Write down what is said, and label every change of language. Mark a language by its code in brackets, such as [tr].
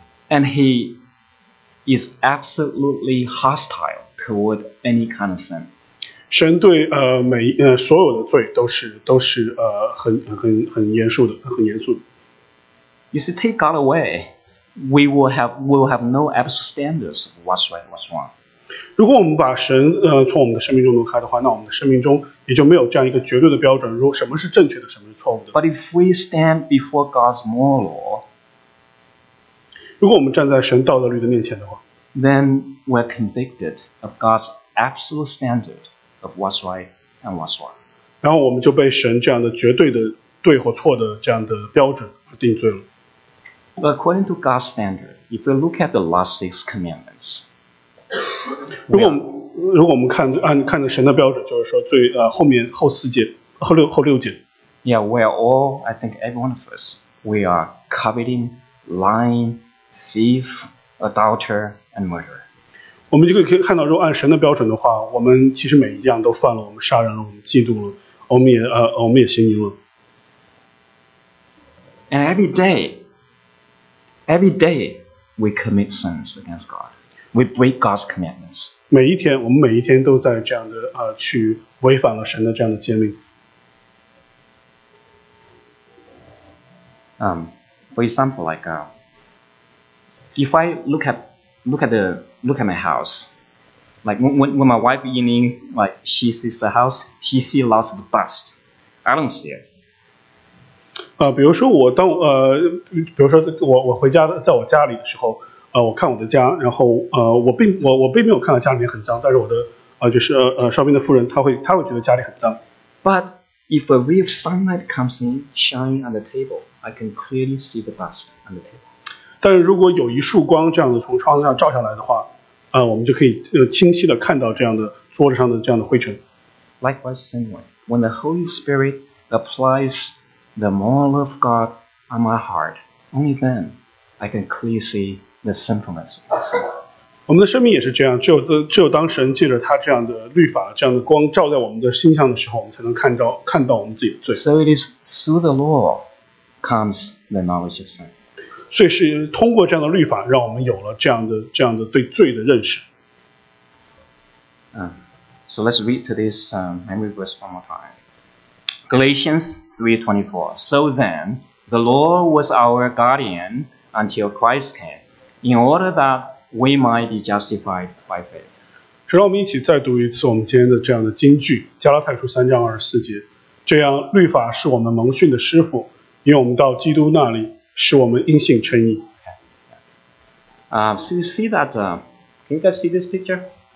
[en] And he is absolutely hostile toward any kind of sin. [zh] 神对所有的罪都是很严肃的，很严肃的。 [en] You see, take God away, we will have no absolute standards of what's right, what's wrong. [zh] 如果我们把神从我们的生命中挪开的话，那我们的生命中也就没有这样一个绝对的标准，如果什么是正确的，什么是错误的。 [en] But if we stand before God's moral law, [zh] 如果我们站在神道德律的面前的话， [en] then we're convicted of God's absolute standard of what's right and what's wrong. [zh] 然后我们就被神这样的绝对的对或错的这样的标准而定罪了。 [en] But according to God's standard, if we look at the last six commandments, [zh] 如果我们看着神的标准，就是说最后面后四节后六节。 [en] Yeah, we are all, I think every one of us, we are coveting, lying, thief, adulterer, and murderer. [zh] 我们就可以看到，如果按神的标准的话，我们其实每一样都犯了，我们杀人了，我们嫉妒了，我们也行淫了。 [en] And every day we commit sins against God. We break God's commandments. [zh] 我们每一天都在这样的去违反了神的这样的诫命。 [en] For example, if I look at my house, like when my wife evening, like she sees the house, she sees lots of dust. I don't see it. [zh] 比如说我回家在我家里的时候，我看我的家，然后我并没有看到家里面很脏，但是我的烧饼的妇人她会觉得家里很脏。 [en] But if a ray of sunlight comes in, shining on the table, I can clearly see the dust on the table. [zh] 但是如果有一束光这样的从窗子上照下来的话，我们就可以清晰的看到这样的桌子上的这样的灰尘。 [en] Likewise, same way, when the Holy Spirit appliesThe moral of God on my heart, only then I can clearly see the sinfulness of sin. [zh] 我们的生命也是这样，只有当神借着他这样的律法、这样的光照在我们的心上的时候，我们才能看到我们自己的罪。 [en] So it is through the law comes the knowledge of sin. [zh] 所以是通过这样的律法让我们有了这样的对罪的认识。 [en] So let's read to this memory verse one more time. Galatians 3:24. So then, the law was our guardian until Christ came, in order that we might be justified by faith. [zh] 让我们一起再读一次我们今天的这样的经句，加拉太书3:24。这样，律法是我们蒙训的师父，引我们到基督那里，使我们因信称义。 [en] So you see that, can you guys see this picture?